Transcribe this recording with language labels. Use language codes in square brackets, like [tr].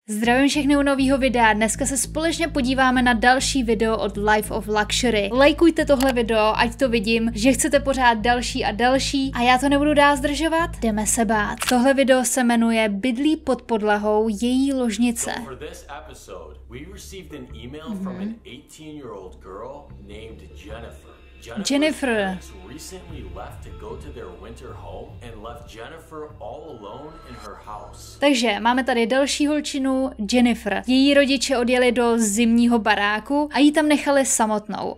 [cs] Zdravím všechny u nového videa. Dneska se společně podíváme na další video od Life of Luxury. Lajkujte tohle video, ať to vidím, že chcete pořád další a další. A já to nebudu dál zdržovat, jdeme se bát. Tohle video se jmenuje Bydlí pod podlahou, její ložnice. [en] So for this episode, we received an email from an 18-year-old girl named Jennifer. Jennifer recently left to go to their winter home and left Jennifer all alone in her house. [cs] Takže máme tady další holčinu, Jennifer. Její rodiče odjeli do zimního baráku a jí tam nechali samotnou.